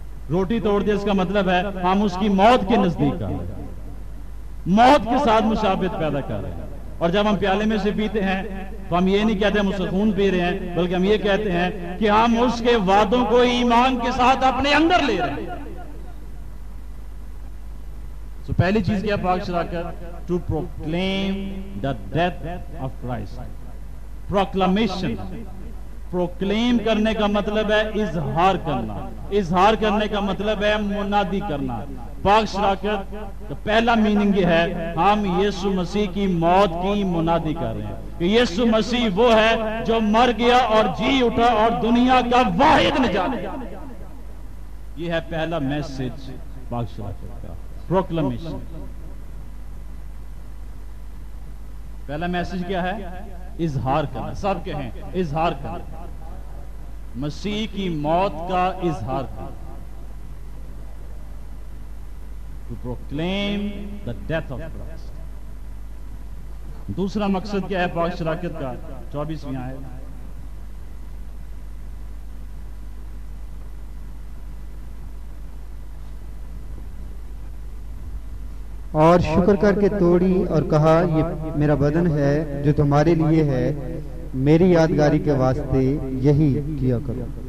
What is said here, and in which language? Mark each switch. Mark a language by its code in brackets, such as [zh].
[ur] روٹی توڑ دے اس کا مطلب ہے ہم اس کی موت کے نزدیک آنا, موت کے ساتھ مشابہت پیدا کر رہے ہیں. اور جب ہم پیالے میں سے پیتے ہیں تو ہم یہ نہیں کہتے ہم اسے خون پی رہے ہیں, بلکہ ہم یہ کہتے ہیں کہ ہم اس کے وعدوں کو ایمان کے ساتھ اپنے اندر لے رہے ہیں. سو پہلی چیز کیا, پاک شراکت, [en] To proclaim the death of Christ. [ur] Proclamation, proclaim کرنے کا مطلب ہے اظہار کرنا, اظہار کرنے کا مطلب ہے منادی کرنا. پاک شراکت کا پہلا میننگ یہ ہے ہم یسوع مسیح کی موت کی منادی کر رہے ہیں کہ یسوع مسیح وہ ہے جو مر گیا اور جی اٹھا اور دنیا کا واحد نجات. یہ ہے پہلا میسج پاک شراکت کا, پروکلمیشن. پہلا میسج کیا ہے, اظہار کرنا. سب کہیں اظہار کرنا, مسیح کی موت کا اظہار کرنا. [en] To proclaim the death of Christ. [ur] دوسرا مقصد کیا ہے پاک شراکت کا, 24 آئے, اور شکر کر کے توڑی اور کہا یہ میرا بدن ہے جو تمہارے لیے ہے, میری یادگاری کے واسطے یہی کیا کرو.